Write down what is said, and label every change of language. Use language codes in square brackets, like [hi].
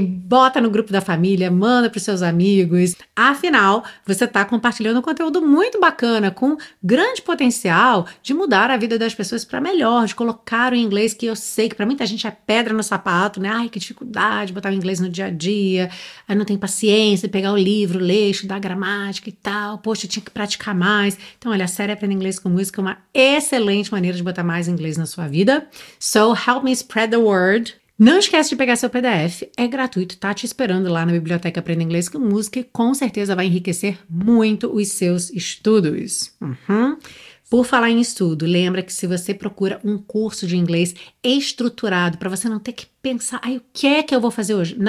[pt] Bota no grupo da família, manda pros seus amigos. Afinal, você tá compartilhando um conteúdo muito bacana, com grande potencial de mudar a vida das pessoas para melhor, de colocar o inglês, que eu sei que para muita gente é pedra no sapato, né? Ai, que dificuldade botar o inglês no dia a dia, aí não tem paciência de pegar o livro, ler, estudar gramática e tal, poxa, tinha que praticar mais. Então, olha, a série Aprenda Inglês com Música é uma excelente maneira de botar mais inglês na sua vida. [en] So, help me spread the word. [pt] Não esquece de pegar seu PDF, é gratuito, tá te esperando lá na Biblioteca Aprenda Inglês com Música e com certeza vai enriquecer muito os seus estudos. Uhum. Por falar em estudo, lembra que se você procura um curso de inglês estruturado para você não ter que pensar, ai, o que é que eu vou fazer hoje?